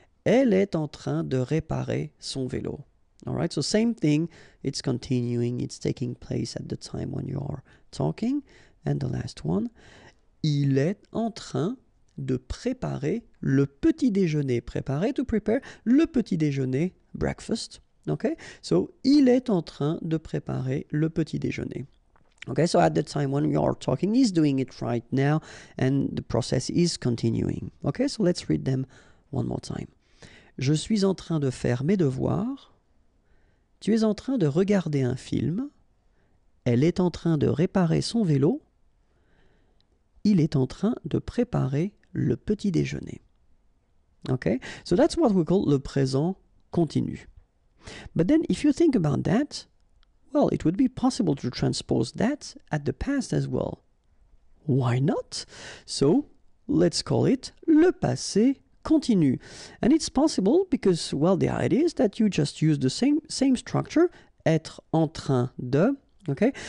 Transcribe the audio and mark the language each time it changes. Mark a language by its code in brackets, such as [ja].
[fr] Elle est en train de réparer son vélo. [en] Alright, so same thing, it's continuing, it's taking place at the time when you are talking. And the last one, [fr] il est en train de préparer le petit déjeuner. Préparer, [en] to prepare, [fr] le petit déjeuner, [en] breakfast. Okay, so [fr] il est en train de préparer le petit déjeuner. [en] Okay, so at the time when you are talking, he's doing it right now and the process is continuing. Okay, so let's read them one more time. [fr] Je suis en train de faire mes devoirs. Tu es en train de regarder un film. Elle est en train de réparer son vélo. Il est en train de préparer le petit déjeuner. [en] Okay? So that's what we call [fr] le présent continu. [en] But then if you think about that, well, it would be possible to transpose that at the past as well. Why not? So let's call it [fr] le passé continue. [en] And it's possible because, well, the idea is that you just use the same structure, [fr] être en train de, [en] okay?